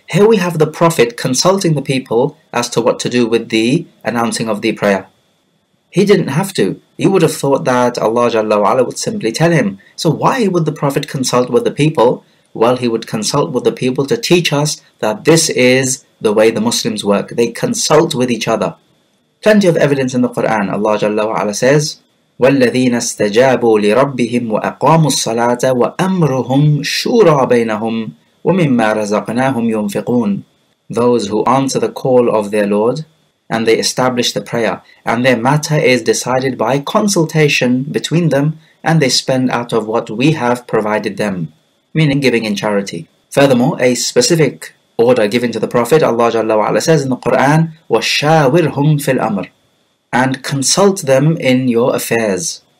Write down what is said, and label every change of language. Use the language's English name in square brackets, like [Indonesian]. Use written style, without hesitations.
[English] Here we have the Prophet consulting the people as to what to do with the announcing of the prayer. He didn't have to. You would have thought that Allah Jalla wa'ala would simply tell him. So why would the Prophet consult with the people? Well, he would consult with the people to teach us that this is the way the Muslims work. They consult with each other. Plenty of evidence in the Quran. Allah Jalla wa'ala says, [Arabic] وَالَّذِينَ اسْتَجَابُوا لِرَبِّهِمْ وَأَقَامُوا الصَّلَاةَ وَأَمْرُهُمْ شُورَى بَيْنَهُمْ وَمِمَّا رَزَقْنَاهُمْ يُنْفِقُونَ. [English] Those who answer the call of their Lord, and they establish the prayer, and their matter is decided by consultation between them, and they spend out of what we have provided them, meaning giving in charity. Furthermore, a specific order given to the Prophet, Allah Jalla wa'ala says in the Quran, [Arabic] وَشَاوِرْهُمْ فِي الْأَمْرِ, [English] and consult them in your affairs.